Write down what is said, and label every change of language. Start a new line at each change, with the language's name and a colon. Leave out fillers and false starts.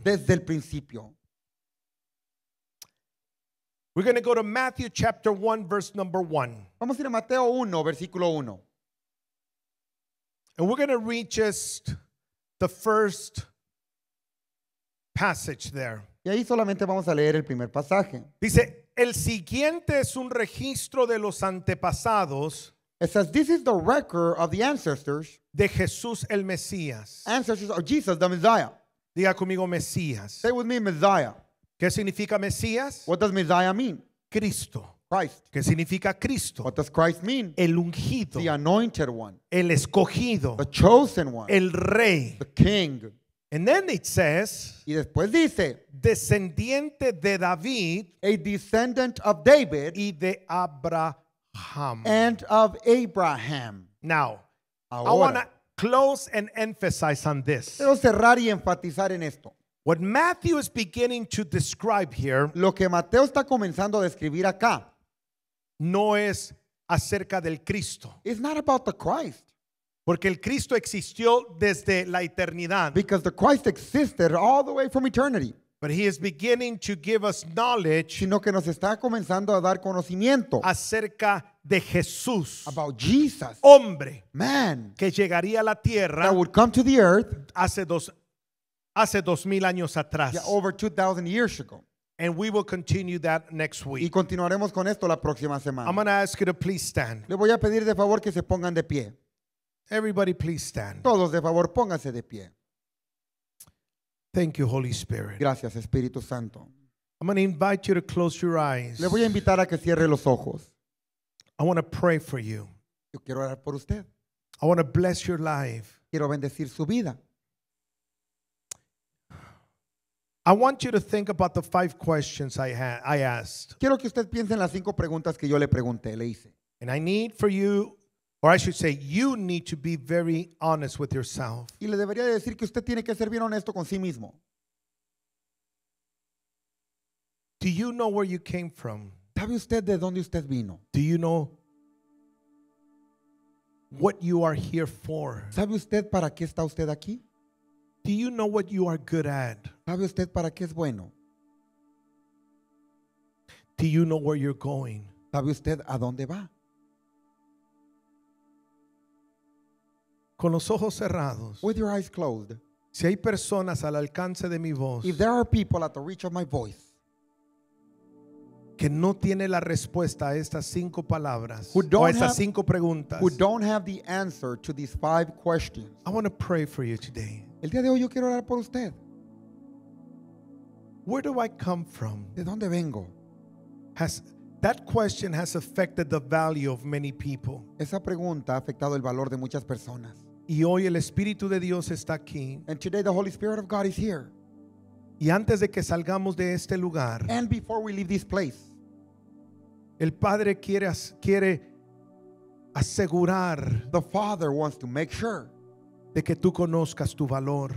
Spanish: Desde el principio.
English: We're going to go to Matthew chapter 1, verse number 1.
Spanish: Vamos a ir a Mateo 1, versículo 1.
English: And we're going to read just the first passage there.
Spanish: Y ahí solamente vamos a leer el primer pasaje. Dice, el siguiente es un registro de los antepasados.
English: It says, this is the record of the ancestors.
Spanish: De Jesús el Mesías.
English: Ancestors of Jesus, the Messiah.
Spanish: Diga conmigo, Mesías.
English: Say with me, Messiah.
Spanish: ¿Qué significa Mesías?
English: What does Messiah mean?
Spanish: Cristo.
English: Christ.
Spanish: ¿Qué significa Cristo?
English: What does Christ mean?
Spanish: El ungido.
English: The anointed one.
Spanish: El escogido.
English: The chosen one.
Spanish: El rey.
English: The king. And then it says,
Spanish: y después dice, descendiente de David,
English: a descendant of David,
Spanish: y de Abraham.
English: And of Abraham. Now,
Spanish: ahora,
English: I want to close and emphasize on this.
Spanish: Quiero cerrar y enfatizar en esto.
English: What Matthew is beginning to describe here,
Spanish: lo que Mateo está comenzando a describir acá, no es acerca del Cristo.
English: It's not about the Christ.
Spanish: Porque el Cristo existió desde la eternidad.
English: Because the Christ existed all the way from eternity. But he is beginning to give us knowledge,
Spanish: sino que nos está comenzando a dar conocimiento, acerca de Jesús,
English: about Jesus,
Spanish: hombre,
English: man,
Spanish: que llegaría a la tierra,
English: that would come to the earth,
Spanish: hace 2,000 años atrás.
English: Yeah, over 2,000 years ago. And we will continue that next week.
Spanish: Y continuaremos con esto la próxima semana.
English: I'm going to ask you to please stand.
Spanish: Le voy a pedir de favor que se pongan de pie.
English: Everybody, please stand.
Spanish: Todos, de favor, pónganse de pie.
English: Thank you, Holy Spirit.
Spanish: Gracias, Espíritu Santo.
English: I'm going to invite you to close your eyes.
Spanish: Le voy a invitar a que cierre los ojos.
English: I want to pray for you.
Spanish: Yo quiero orar por usted.
English: I want to bless your life.
Spanish: Quiero bendecir su vida.
English: I want you to think about the five questions I asked.
Spanish: Quiero que usted piense en las cinco preguntas que yo le pregunté, le hice.
English: And I need for you, or I should say, you need to be very honest with yourself.
Spanish: Y le debería decir que usted tiene que ser bien honesto con sí mismo.
English: Do you know where you came from?
Spanish: ¿Sabe usted de dónde usted vino?
English: Do you know what you are here for?
Spanish: ¿Sabe usted para qué está usted aquí?
English: Do you know what you are good at?
Spanish: ¿Sabe usted para qué es bueno?
English: Do you know where you're going?
Spanish: ¿Sabe usted a dónde va? Con los ojos cerrados.
English: With your eyes closed.
Spanish: Si hay personas al alcance de mi voz.
English: If there are people at the reach of my voice.
Spanish: Que no tiene la respuesta a estas cinco palabras.
English: Who don't
Spanish: o a estas cinco preguntas.
English: Who don't have the answer to these five questions. I want to pray for you today.
Spanish: El día de hoy yo quiero orar por usted.
English: Where do I come from?
Spanish: ¿De dónde vengo?
English: That question has affected the value of many people.
Spanish: Esa pregunta ha afectado el valor de muchas personas. Y hoy el Espíritu de Dios está aquí.
English: And today the Holy Spirit of God is here.
Spanish: Y antes de que salgamos de este lugar,
English: and before we leave this place,
Spanish: el Padre quiere asegurar,
English: the Father wants to make sure,
Spanish: de que tú conozcas tu valor,